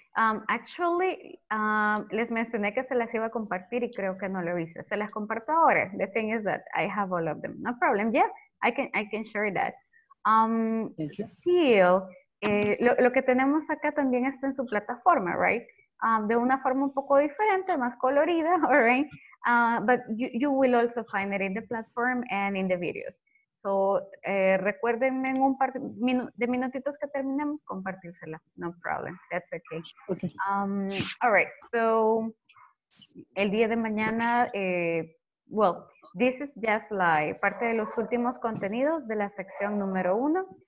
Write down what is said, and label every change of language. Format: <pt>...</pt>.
<en>Actually,</en> <es>les mencioné que se las iba a compartir y creo que no lo hice. Se las comparto ahora.</es> <en>The thing is that I have all of them. No problem. Yeah, I can share that.</en> <es>Still, lo que tenemos acá también está en su plataforma, right? De una forma un poco diferente, más colorida, all right?</es> <en>But you will also find it in the platform and in the videos.</en> <es>So, recuerden en un par de minutitos que terminemos, compartírsela.</es> <en>No problem. That's okay. Okay. All right. So,</en> <es>el día de mañana,</es> <en>well, this is just like</en> <es>parte de los últimos contenidos de la sección número uno.</es>